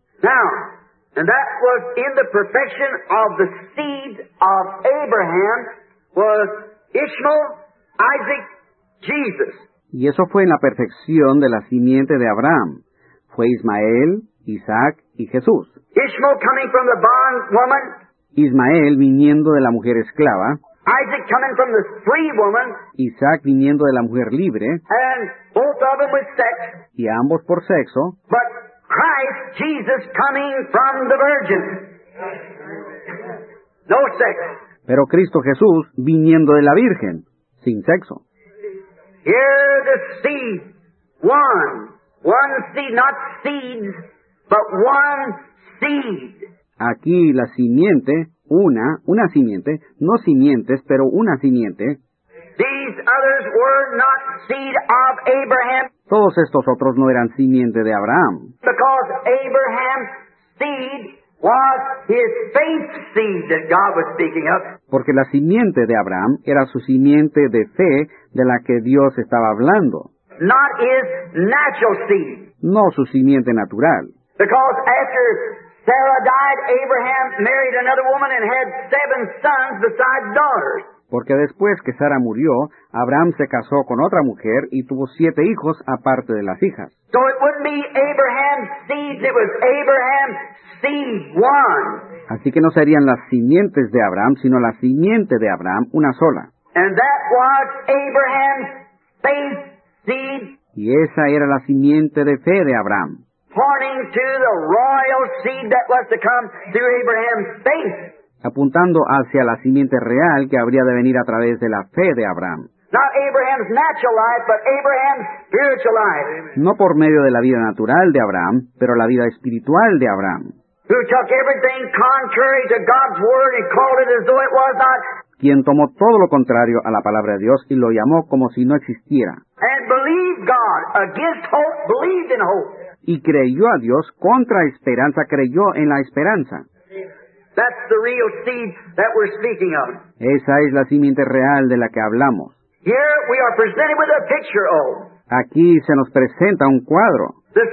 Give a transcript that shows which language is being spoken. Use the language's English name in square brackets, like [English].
[English] Now, and that was in the perfection of the seed of Abraham, was Ishmael, Isaac, Jesus. [Spanish] Y eso fue en la perfección de la simiente de Abraham. Fue Ismael, Isaac y Jesús. [English] Ishmael coming from the bond woman. [Spanish] Ismael viniendo de la mujer esclava. [English] Isaac coming from the free woman. [Spanish] Isaac viniendo de la mujer libre. [English] And both of them with sex. [Spanish] Y ambos por sexo. [English] But Christ Jesus coming from the virgin. No sex. [Spanish] Pero Cristo Jesús viniendo de la virgen, sin sexo. [English] Here the seed, one seed, not seeds, but one seed. [Spanish] Aquí la simiente, una simiente, no simientes, pero una simiente. [English] These others were not seed of Abraham. [Spanish] Todos estos otros no eran simiente de Abraham. [English] Because Abraham's seed was his faith seed that God was speaking of. [Spanish] Porque la simiente de Abraham era su simiente de fe de la que Dios estaba hablando. [English] Not his natural seed. [Spanish] No su simiente natural. [English] Because after Sarah died, Abraham married another woman and had seven sons besides daughters. [Spanish] Porque después que Sara murió, Abraham se casó con otra mujer y tuvo siete hijos aparte de las hijas. [English] So it wouldn't be Abraham's seed, it was Abraham's seed, one. [Spanish] Así que no serían las simientes de Abraham, sino la simiente de Abraham, una sola. [English] And that was Abraham's faith seed. [Spanish] Y esa era la simiente de fe de Abraham. [English] Pointing to the royal seed that was to come through Abraham's faith. [Spanish] Apuntando hacia la simiente real que habría de venir a través de la fe de Abraham. [English] Not Abraham's natural life, but Abraham's spiritual life. [Spanish] No por medio de la vida natural de Abraham, pero la vida espiritual de Abraham. [English] Who took everything contrary to God's word and called it as though it was not. [Spanish] Quien tomó todo lo contrario a la palabra de Dios y lo llamó como si no existiera. [English] And believed God against hope, believed in hope. [Spanish] Y creyó a Dios contra esperanza, creyó en la esperanza. [English] That's the real seed that we're speaking of. [Spanish] Esa es la simiente real de la que hablamos. [English] Here we are presented with a picture of. [Spanish] Aquí se nos presenta un cuadro.